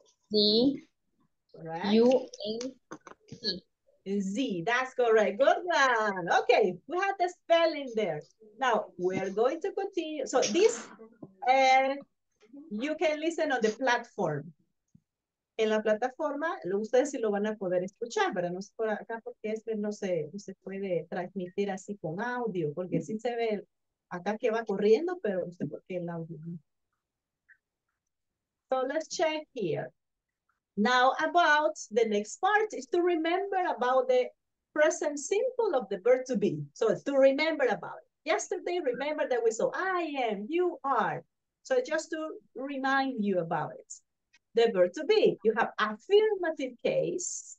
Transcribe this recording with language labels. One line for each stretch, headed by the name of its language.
English: D. U A T. Z, that's correct. Good one. Okay, we have the spelling there. Now we're going to continue. So this, you can listen on the platform.
Spanish: En la plataforma, ustedes sí lo van a poder escuchar, pero no es por acá porque este no se, no se puede transmitir así con audio, porque sí se ve acá que va corriendo, pero no sé por qué el audio.
English: So let's check here. Now about the next part is to remember about the present simple of the verb to be. So it's to remember about it. Yesterday, remember that we saw I am, you are. So just to remind you about it, the verb to be, you have affirmative case.